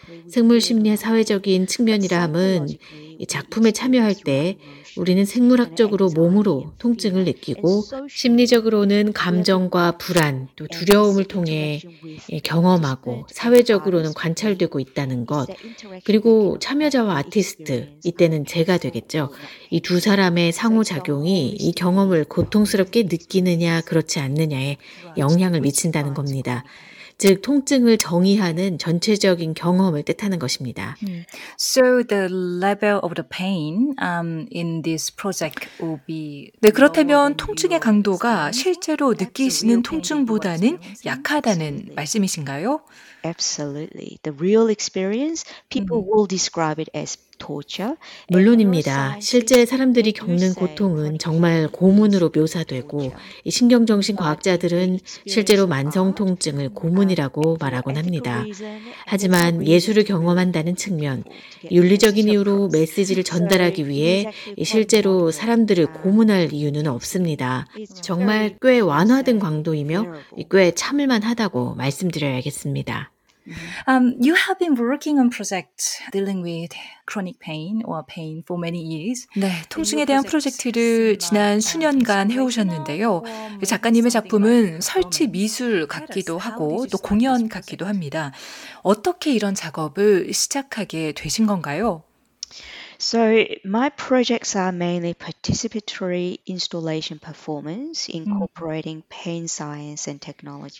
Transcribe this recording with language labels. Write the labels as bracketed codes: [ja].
[ko] 생물 심리의 사회적인 측면이라 함은 작품에 참여할 때 우리는 생물학적으로 몸으로 통증을 느끼고 심리적으로는 감정과 불안 또 두려움을 통해 경험하고 사회적으로는 관찰되고 있다는 것 그리고 참여자와 아티스트 이때는 제가 되겠죠. 이 두 사람의 상호작용이 이 경험을 고통스럽게 느끼느냐 그렇지 않느냐에 영향을 미친다는 겁니다. 즉 통증을 정의하는 전체적인 경험을 뜻하는 것입니다. [en] So the level of the pain in this project will be [ko] 네, 그렇다면 통증의 강도가 실제로 느끼시는 통증보다는 약하다는 말씀이신가요? [en] Absolutely. The real experience people will describe it as torture. [ko] 물론입니다. 실제 사람들이 겪는 고통은 정말 고문으로 묘사되고 신경정신과학자들은 실제로 만성통증을 고문이라고 말하곤 합니다. 하지만 예술을 경험한다는 측면, 윤리적인 이유로 메시지를 전달하기 위해 실제로 사람들을 고문할 이유는 없습니다. 정말 꽤 완화된 강도이며 꽤 참을만하다고 말씀드려야겠습니다. [en] You have been working on projects dealing with chronic pain or pain for many years. [ko] 네, 통증에 대한 프로젝트를 지난 수년간 해오셨는데요. 작가님의 작품은 설치 미술 같기도 하고 또 공연 같기도 합니다. 어떻게 이런 작업을 시작하게 되신 건가요? [en] So my projects are mainly participatory installation performance incorporating pain science and technology.